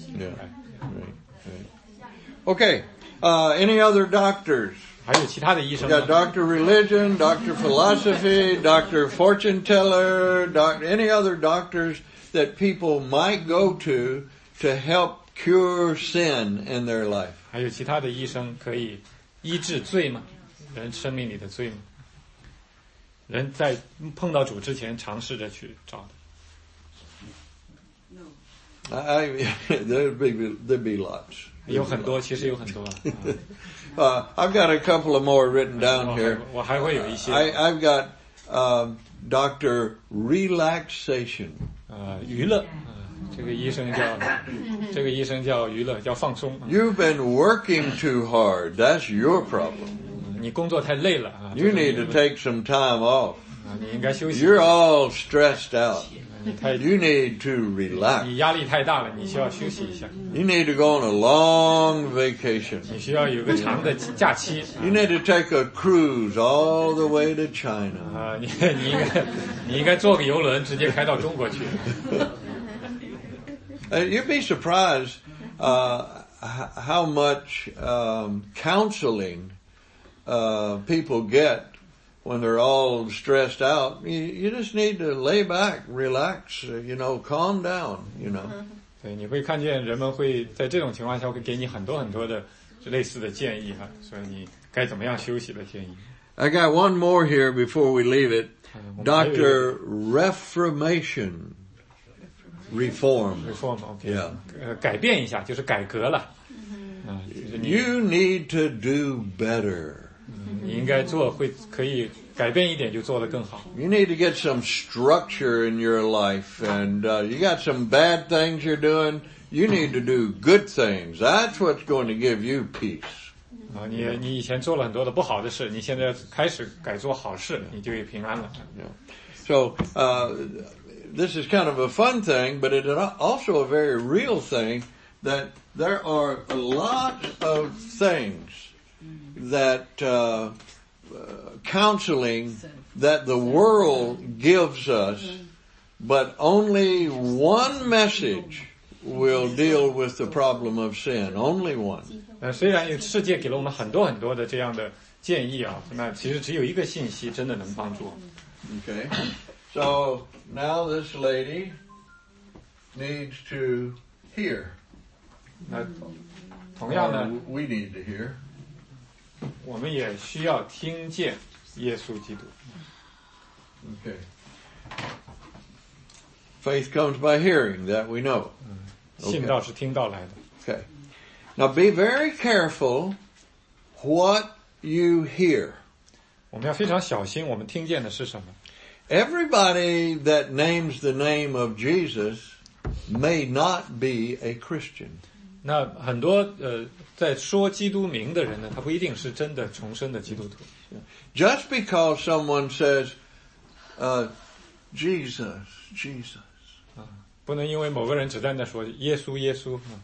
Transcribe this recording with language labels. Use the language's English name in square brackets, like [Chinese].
[English] Yeah. Right. Okay. Any other doctors? [Chinese] 还有其他的医生吗？ [English] Yeah, Dr. Religion, Dr. Philosophy, Dr. Fortune Teller, any other doctors that people might go to help cure sin in their life? [Chinese] 还有其他的医生可以医治罪吗？人生命里的罪吗？人在碰到主之前尝试着去找的。 [English] There'd be lots. [Chinese] 有很多，其实有很多。 [English] I've got a couple of more written down here. [Chinese] 我还会有一些。 [English] I've got Dr. Relaxation. [Chinese] 娱乐。这个医生叫娱乐，叫放松。 [English] You've been working too hard. That's your problem. [Chinese] 你工作太累了啊！ [English] You need to take some time off. [Chinese] 你应该休息。 [English] You're all stressed out. [Chinese] 你太 [English] You need to relax. [Chinese] 你压力太大了，你需要休息一下。 [English] You need to go on a long vacation. [Chinese] 你需要有个长的假期。 [English] You need to take a cruise all the way to China. [Chinese] 你应该坐个游轮直接开到中国去。 [English] You'd be surprised how much counseling. People get when they're all stressed out. You just need to lay back, relax, you know, calm down, you know. [Chinese] 对，你会看见人们会在这种情况下会给你很多很多的类似的建议哈，所以你该怎么样休息的建议。 [English] I got one more here before we leave it. Dr. Reformation. Reform, okay. Yeah. [Chinese] 改变一下，就是改革了。 [English] You need to do better. You need to do better. [Chinese] 应该做会可以改变一点就做得更好。 [English] You need to get some structure in your life, and you got some bad things you're doing. You need to do good things. That's what's going to give you peace. [Chinese] 你以前做了很多的不好的事，你现在开始改做好事，你就有平安了。 [English] So, this is kind of a fun thing, but it's also a very real thing that there are a lot of things that counseling that the world gives us, but only one message will deal with the problem of sin. Only one. [Chinese] 虽然世界给了我们很多很多的这样的建议啊，那其实只有一个信息真的能帮助。 [English] Okay. So now this lady needs to hear. [Chinese] 那同样呢 [English] ，We need to hear. [Chinese] 我们也需要听见耶稣基督。 [English] Okay. Faith comes by hearing. That we know. [Chinese] 信道是听道来的。 [English] Okay. Now be very careful what you hear. [Chinese] 我们要非常小心，我们听见的是什么。 [English] Everybody that names the name of Jesus may not be a Christian. [Chinese] 那很多在说基督名的人呢，他不一定是真的重生的基督徒。 [English] Just because someone says, Jesus, Jesus. [Chinese] 不能因为某个人只在那说耶稣耶稣。